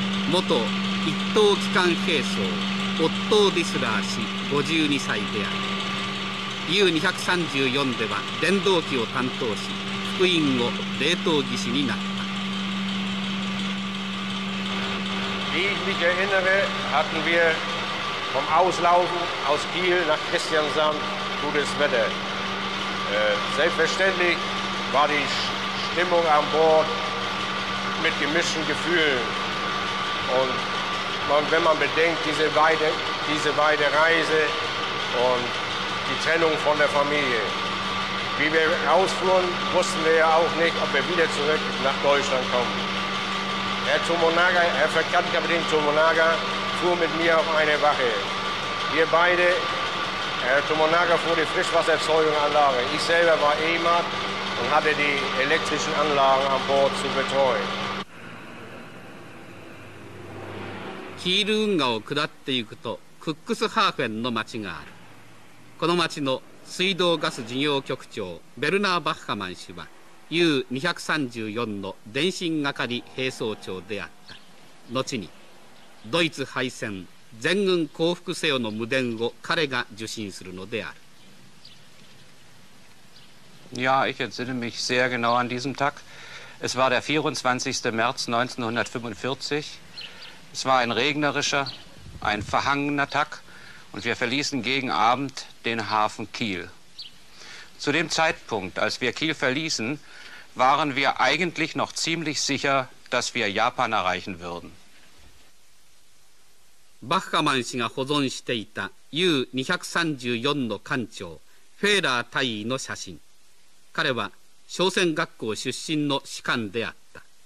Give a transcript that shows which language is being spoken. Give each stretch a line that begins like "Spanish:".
Japanese: 元一等機関兵曹オットー・ディスラー氏52歳である。 U-234 では電動機を担当し、副員を冷凍技師になった。
German: Wie ich mich erinnere, hatten wir vom Auslaufen aus Kiel nach Kristiansand gutes Wetter. Selbstverständlich war die Stimmung an Bord mit gemischten Gefühlen. Und man, wenn man bedenkt, diese weite Reise und die Trennung von der Familie. Wie wir rausfuhren, wussten wir ja auch nicht, ob wir wieder zurück nach Deutschland kommen. Herr Verkehrskapitän Tomonaga fuhr mit mir auf eine Wache. Wir beide, Herr Tomonaga fuhr die Frischwassererzeugungsanlage. Ich selber war E-Mat und hatte die elektrischen Anlagen an Bord zu betreuen.
Japanese: Kiel 運河を下っていくとクックスハーフェンの町がある。この町の水道ガス事業局長ベルナー・バッハマン氏はU-234 の電信係兵曹長であった。後にドイツ敗戦全軍降伏せよの無電を彼が受信するのである。
German: Ja, ich erinnere mich sehr genau an diesen Tag. Es war der 24. März 1945. Es war ein regnerischer, ein verhangener Tag und wir verließen gegen Abend den Hafen Kiel. Zu dem Zeitpunkt, als wir Kiel verließen,waren wir eigentlich noch ziemlich sicher, dass wir Japan erreichen würden.
Japanese: バッハマン氏が保存していた U-234 の艦長フェーラー大尉の写真。彼は商船学校出身の士官であった。